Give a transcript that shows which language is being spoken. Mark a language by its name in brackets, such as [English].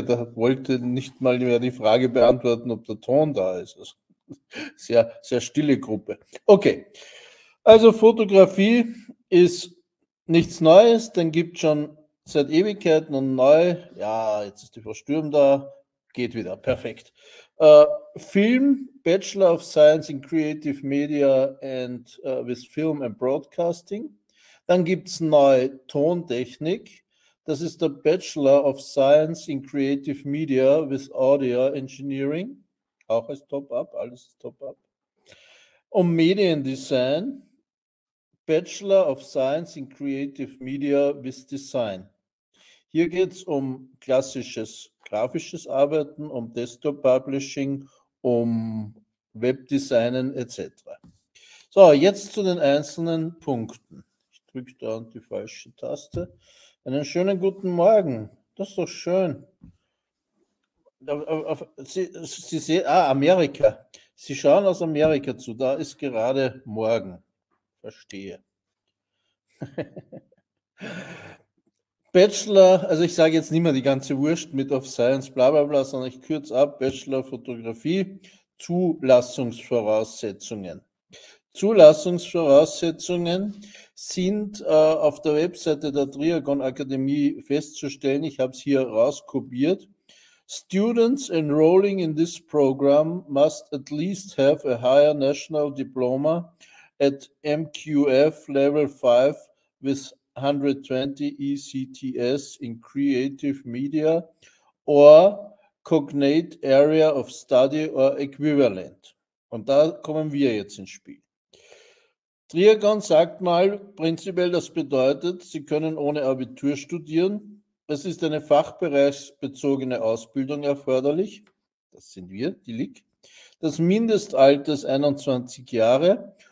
[German] Da wollte nicht mal mehr die Frage beantworten, ob der Ton da ist. Also, sehr, sehr stille Gruppe. Okay, also Fotografie ist nichts Neues, denn gibt schon seit Ewigkeiten und neu. Ja, jetzt ist die Frau Stürm da. Geht wieder. Perfekt. Film, Bachelor of Science in Creative Media and with Film and Broadcasting. Dann gibt es neue Tontechnik. Das ist der Bachelor of Science in Creative Media with Audio Engineering. Auch als Top-Up, alles ist Top-Up. Und Mediendesign, Bachelor of Science in Creative Media with Design. Hier geht es um klassisches grafisches Arbeiten, um Desktop Publishing, um Webdesignen etc. So, jetzt zu den einzelnen Punkten. Ich drücke da die falsche Taste. Einen schönen guten Morgen. Das ist doch schön. Sie sehen, Amerika. Sie schauen aus Amerika zu. Da ist gerade Morgen. Verstehe. Bachelor, also ich sage jetzt nicht mehr die ganze Wurst mit of Science, bla bla bla, sondern ich kürze ab, Bachelor Fotografie, Zulassungsvoraussetzungen. Zulassungsvoraussetzungen sind auf der Webseite der Triagon Akademie festzustellen, ich habe es hier rauskopiert. [English] Students enrolling in this program must at least have a higher national diploma at MQF level 5 with 120 ECTS in creative media or cognate area of study or equivalent. [German] Und da kommen wir jetzt ins Spiel. Triagon sagt mal prinzipiell, das bedeutet, Sie können ohne Abitur studieren. Es ist eine fachbereichsbezogene Ausbildung erforderlich. Das sind wir, die LIG. Das Mindestalter ist 21 Jahre.